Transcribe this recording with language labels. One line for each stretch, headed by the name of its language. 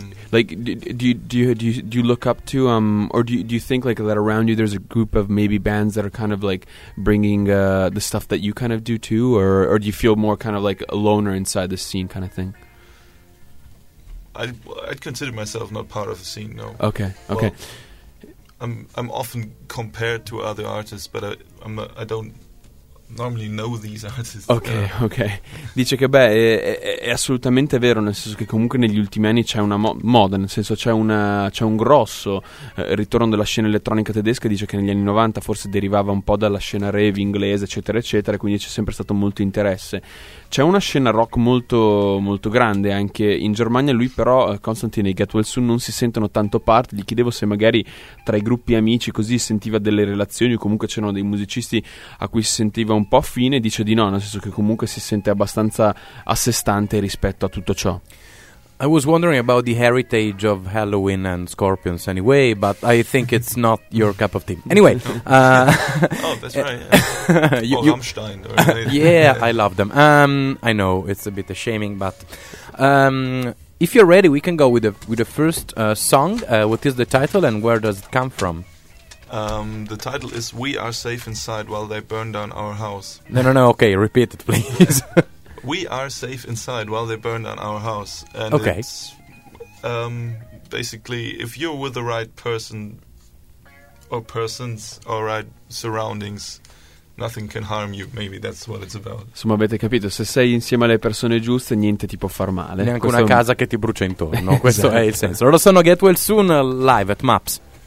English: Do you look up to or do you think like that around you there's a group of maybe bands that are kind of like bringing the stuff that you kind of do too, or do you feel more kind of like a loner inside the scene kind of thing? I'd consider myself not part of the scene, no. Okay. Okay. Well, I'm often compared to other artists, but I don't normally know these artists. Ok.
Italian: Dice che beh, è assolutamente vero, nel senso che comunque negli ultimi anni c'è una moda, nel senso c'è un grosso ritorno della scena elettronica tedesca. Dice che negli anni 90 forse derivava un po' dalla scena rave inglese, eccetera, eccetera, quindi c'è sempre stato molto interesse. C'è una scena rock molto, molto grande anche in Germania. Lui però, Constantine e Get Well Soon, non si sentono tanto parte. Gli chiedevo se magari tra i gruppi amici così sentiva delle relazioni, o comunque c'erano dei musicisti a cui si sentiva un po' fine. Dice di no, nel senso che comunque si sente abbastanza a sé stante rispetto a tutto ciò.
English: I was wondering about the heritage of Halloween and Scorpions anyway, but I think it's not your cup of tea. Anyway. Oh, that's right. Yeah. Yeah, I love them. I know, it's a bit of shaming, but if you're ready, we can go with the first song. What is the title and where does it come from? The title is We Are Safe Inside While They Burn Down Our House. No, okay, repeat it, please. We are safe inside while they burn down our house. And okay. It's, basically, if you're with the right person or persons or right surroundings, nothing can harm you. Maybe that's what it's about.
Italian: Insomma, avete capito, se sei insieme alle persone giuste, niente ti può far male. Neanche una casa che ti brucia intorno. Questo è il senso. Allora sono Get Well Soon live at MAPS.